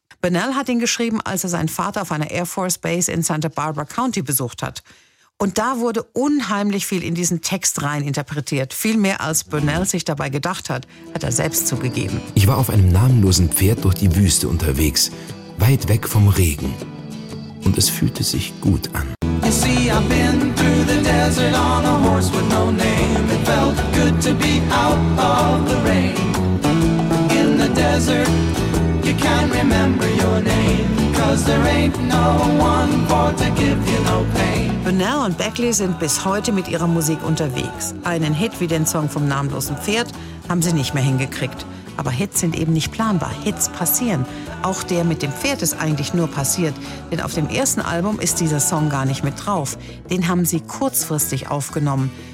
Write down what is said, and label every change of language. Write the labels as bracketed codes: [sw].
[de] Bunnell hat ihn geschrieben, als er seinen Vater auf einer Air Force Base in Santa Barbara County besucht hat. Und da wurde unheimlich viel in diesen Text reininterpretiert. Viel mehr, als Bunnell sich dabei gedacht hat, hat er selbst zugegeben. Ich war auf einem namenlosen Pferd durch die Wüste unterwegs, weit weg vom Regen. Und es fühlte sich gut an. [en] You see, I've been through the desert on a horse with no name. It felt good to be out of the rain. In the desert, you can't remember your name. Cause there ain't no one for to give you no pain. [de] Bunnell und Beckley sind bis heute mit ihrer Musik unterwegs. Einen Hit wie den Song vom namenlosen Pferd haben sie nicht mehr hingekriegt. Aber Hits sind eben nicht planbar. Hits passieren. Auch der mit dem Pferd ist eigentlich nur passiert. Denn auf dem ersten Album ist dieser Song gar nicht mit drauf. Den haben sie kurzfristig aufgenommen.